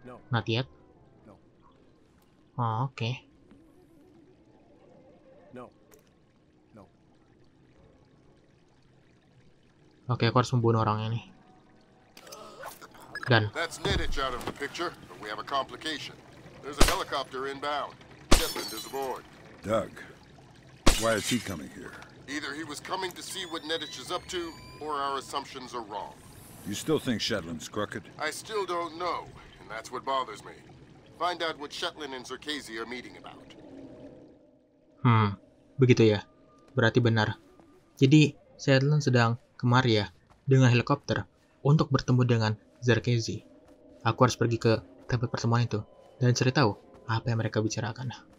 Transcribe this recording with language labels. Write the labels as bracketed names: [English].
[English] Not yet. Oh, oke. [Indonesian] Oke, aku harus membunuh orangnya nih. [English] Done. That's Nidditch out of the picture, but we have a complication. There's a helicopter inbound. Shetland is aboard. Doug, why is he coming here? Either he was coming to see what Nidditch is up to, or our assumptions are wrong. You still think Shetland's crooked? I still don't know, and that's what bothers me. Find out what Shetland and Zerkezi are meeting about. [Indonesian] Begitu ya. Berarti benar. Jadi, Shetland sedang kemari ya, dengan helikopter, untuk bertemu dengan Zerkezi. Aku harus pergi ke tempat pertemuan itu dan cari tahu apa yang mereka bicarakan.